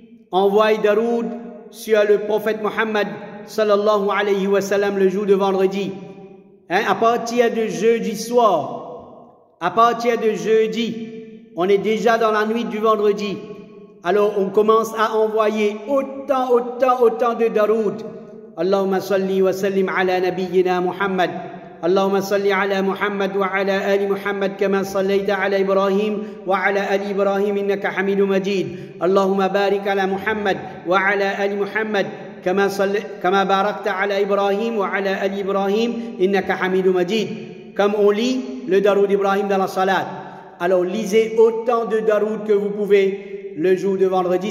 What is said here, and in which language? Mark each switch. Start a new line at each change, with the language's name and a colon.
French: Envoie Daroud sur le prophète Mohammed sallallahu alayhi wa sallam le jour de vendredi. Hein, à partir de jeudi, on est déjà dans la nuit du vendredi. Alors on commence à envoyer autant de Daroud.
Arabic: Allahumma salli wa sallim ala nabiyyina Muhammad. اللهم صل على محمد وعلى آل محمد كما صليت على إبراهيم وعلى آل إبراهيم إنك حميد مجيد اللهم بارك على محمد وعلى آل محمد كما باركت على إبراهيم وعلى آل إبراهيم إنك حميد مجيد كم أولي لدرود إبراهيم
French: dans la salat. Alors lisez autant de Daroud que vous pouvez le jour de vendredi.